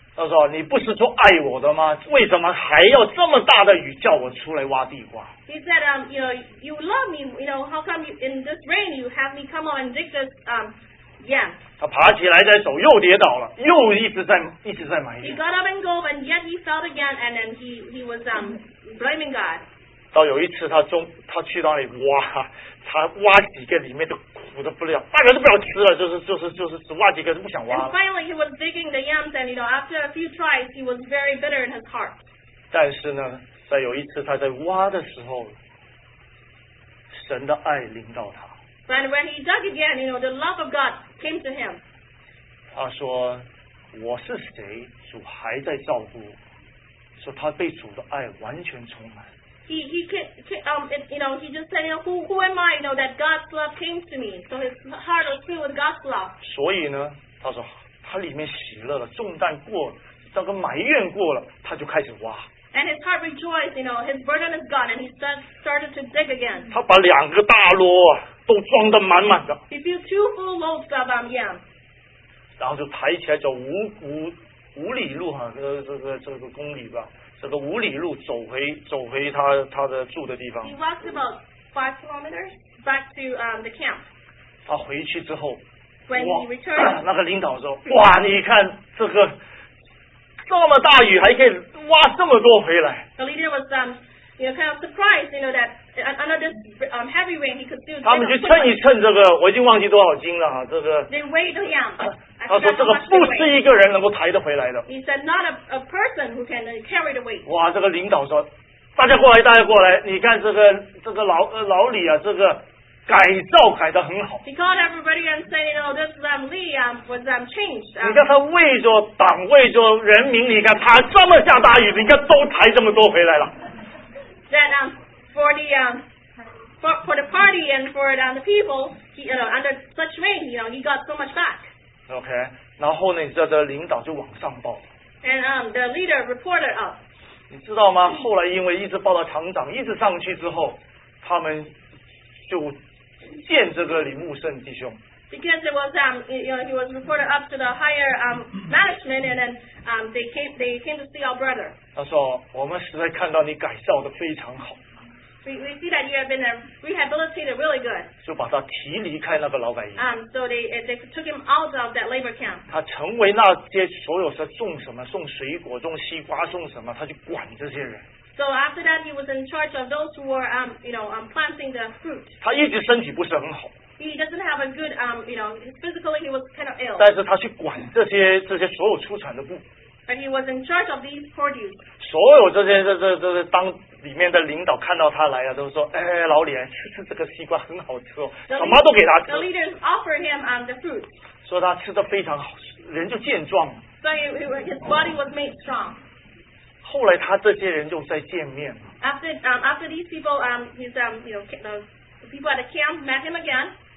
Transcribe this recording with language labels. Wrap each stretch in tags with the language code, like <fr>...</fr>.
<zh>他说：“你不是说爱我的吗？为什么还要这么大的雨叫我出来挖地瓜</zh> <en>？”He said, you know, you love me. You know, how come in this rain you have me come out and dig this, yam?</en> <zh>他爬起来再走，又跌倒了，又一直在埋怨。</zh> <en>He got up and go, and yet he fell again, and then he was blaming God.</en> <zh>到有一次他去那里挖，他挖几个里面都苦得不了，半个都不想吃了，就是只挖几个都不想挖了。</zh> <en>And finally, he was digging the yams, and you know, after a few tries, he was very bitter in his heart.</en> <zh>但是呢，在有一次他在挖的时候，神的爱临到他。</zh> <en>And when he dug again, you know, the love of God came to him.</en> <zh>他说，我是谁？主还在照顾我。说他被主的爱完全充满。</zh> <en>He he just said, you know, who am I? You know, that God's love came to me. So his heart was filled with God's love.</en> <zh>所以呢，他说他里面喜乐了，重担过了，这个埋怨过了，他就开始挖。</zh> <en>And his heart rejoiced, you know, his burden is gone, and he started to dig again.</en> <zh>他把两个大箩都装得满满的。</zh> <en>He filled two full loaves of yams.</en> <zh>然后就抬起来走五里路哈、啊，这个公里吧，这个五里路走回他的住的地方。</zh> <en>He walked about 5 kilometers back to the camp.</en> <zh>他回去之后，</zh> <en>When he returned,</en> <zh>那个领导说：“哇，你看这个。” 这么大雨还可以挖这么多回来。</zh> <en>The leader was, you know, kind of surprised, you know, that under this heavy rain he could still.</en> <zh>他们去称一称这个，我已经忘记多少斤了，这个。</zh> <en>They weighed the yam.</en> <zh>他说这个不是一个人能够抬得回来的。</zh> <en>He said not a person who can carry the weight.</en> <zh>哇，这个领导说，大家过来，你看这个老李啊，这个改造改得很好。</zh> <en>He called everybody and said, you know, this Lee was changed.</en> <zh>你看他为着党，为着人民，你看他这么下大雨，你看都抬这么多回来了。</zh> <en>That for the party and for the people, he, you know, under such rain, you know, he got so much back.</en> <zh>Okay, 然后呢，你知道这领导就往上报。</zh> <en>And the leader reported up.</en> <zh>你知道吗？后来因为一直报到厂长，一直上去之后，他们。就见这个李牧圣弟兄。</zh> <en>Because it was you know, he was reported up to the higher management, and then they came to see our brother.</en> <zh>他说：“我们实在看到你改造的非常好。”</zh> <en>We see that you have been rehabilitated really good.</en> <zh>就把他提离开那个老百姓。</zh> <en>So they took him out of that labor camp.</en> <zh>他成为那些所有是种什么、送水果、种西瓜、送什么，他就管这些人。</zh> <en>So after that, he was in charge of those who were, you know, planting the fruit.</en> <zh>他一直身体不是很好。</zh> <en>he doesn't have a good, you know, physically he was kind of ill.</en> <zh>但是他去管这些所有出产的部。</zh> <en>But he was in charge of these produce.</en> <zh>所有这些当里面的领导看到他来了，都说：“哎，老李，吃这个西瓜很好吃哦，什么都给他吃。”</zh> <en>The leaders offered him the fruit.</en> <zh>说他吃的非常好，人就健壮了。</zh> <en>So his body was made strong.</en> <zh>后来他这些人就再见面了。</zh> <en>After these people, the people at the camp met him again.</en>